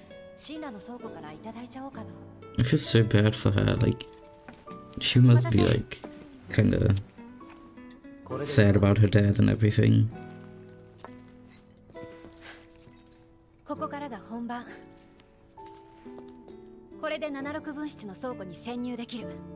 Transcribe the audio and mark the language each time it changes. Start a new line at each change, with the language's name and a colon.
Japanese: ペコペコじゃお腹も気持ちもしぼむから。次に使う爆弾の火薬ユニットを差し替えるつもり。どうしても売人と連絡がつかないから、シンラの倉庫からいただいちゃおうかと。
English: I feel so bad for her. Like, she must be like, kind of sad about her dad and everything.
Japanese: ここからが本番。これで 76 分室の倉庫に潜入できる。